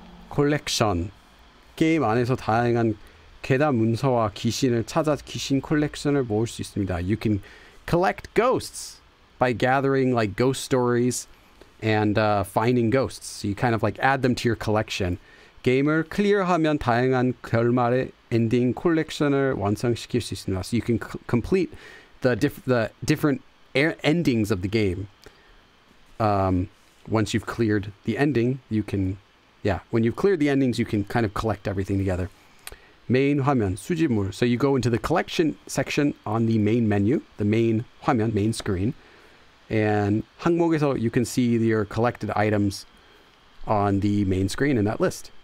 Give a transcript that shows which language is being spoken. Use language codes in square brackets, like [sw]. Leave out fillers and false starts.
[ko] Collection. Game 안에서 다양한 계단 문서와 귀신을 찾아 귀신 collection을 모을 수 있습니다. [en] You can collect ghosts by gathering like ghost stories and finding ghosts. So you kind of like add them to your collection. [ko] 게임을 클리어하면 다양한 결말의 엔딩 콜렉션을 완성시킬 수 있습니다. [en] So you can complete the different endings of the game. Once you've cleared the ending, you can, yeah, when you've cleared the endings, you can kind of collect everything together. [ko] 메인 화면 수집물. [en] So you go into the collection section on the main menu, the main 화면, main screen, and 항목에서 you can see your collected items on the main screen in that list.